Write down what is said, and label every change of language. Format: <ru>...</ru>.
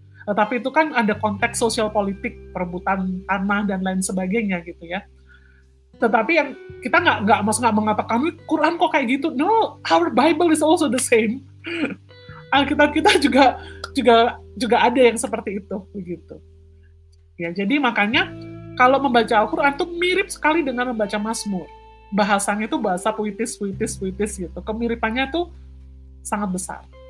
<id>Tapi itu kan ada konteks sosial politik, perebutan tanah dan lain sebagainya gitu ya. Tetapi yang kita nggak mengatakan, Quran kok kayak gitu?</id> <en>No, our Bible is also the same.</en> <id>Alkitab kita juga ada yang seperti itu, begitu. Ya, jadi makanya kalau membaca Al-Quran itu mirip sekali dengan membaca Mazmur. Bahasanya itu bahasa puitis gitu. Kemiripannya tuh sangat besar.</id>